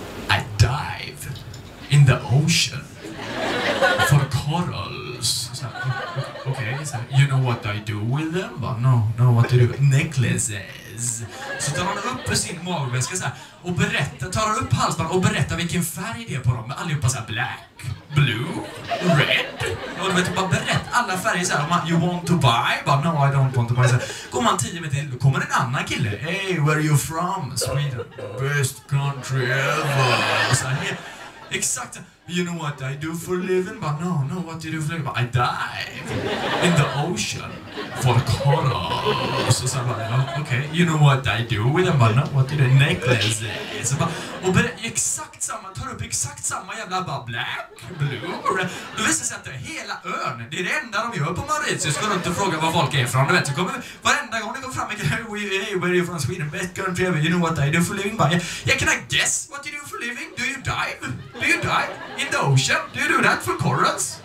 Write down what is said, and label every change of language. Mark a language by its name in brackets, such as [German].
[English] I dive in the ocean for corals. Okay, you know what I do with them? No, no, what do you do? Necklaces. [Swedish] Så tar han upp sin magväska så här, och berättar, tar han upp halsband och berättar vilken färg det är på dem. Allihopa såhär [English] black, blue, red. [Swedish] Och de bara berättar alla färger så här. [English] Man, you want to buy? [Swedish] Bara, [English] no, I don't want to buy. [Swedish] Så går man 10 meter till, då kommer en annan kille. [English] Hey, where are you from? Sweden. Best country ever. [Swedish] Så här, helt, exakt. [English] You know what I do for a living? But no, no, what do you do for a living? I dive in the ocean for corals. [Swedish] Så bara, [English] okay, you know what I do with a man? No, what do you do? Necklaces. [Swedish] Och exakt samma, tar upp exakt samma jävla bara [English] black, blue, red. [Swedish] Då visar sig att det är hela ön. Det är det enda de gör på Mauritius. Så går runt och frågar var folk är från. Du vet, så kommer varenda gång det går fram en grej. [English] Hey, where are you from Sweden? Best country ever. You know what I do for a living? But yeah, can I guess what you do for a living? Do you dive? Do you dive? In the ocean? Do you do that for corals?